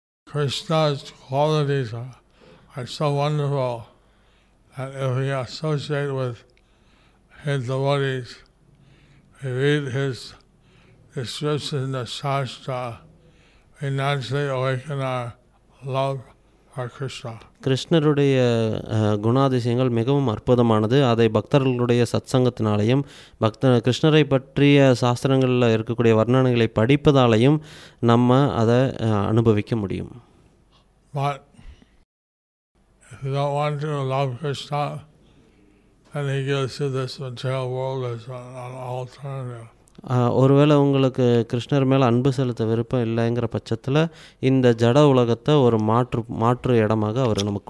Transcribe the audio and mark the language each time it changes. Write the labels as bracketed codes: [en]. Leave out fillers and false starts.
[en] Krishna's qualities are so wonderful that if we associate with his devotees, we read his description in the Shastra, we naturally awaken our love for Krishna. [ta] கிருஷ்ணருடைய குணாதிசயங்கள் மிகவும் அற்புதமானது. அதை பக்தர்களுடைய சத்சங்கத்தினாலையும் கிருஷ்ணரை பற்றிய சாஸ்திரங்களில் இருக்கக்கூடிய வர்ணனைகளை படிப்பதாலையும் நம்ம அதை அனுபவிக்க முடியும். [en] But if you don't want to love Krishna, then he gives you this material world as an alternative. [ta] ஒருவேளை உங்களுக்கு கிருஷ்ணர் மேலே அன்பு செலுத்த விருப்பம் இல்லைங்கிற பட்சத்தில் இந்த ஜட உலகத்தை ஒரு மாற்று இடமாக அவர் நமக்கு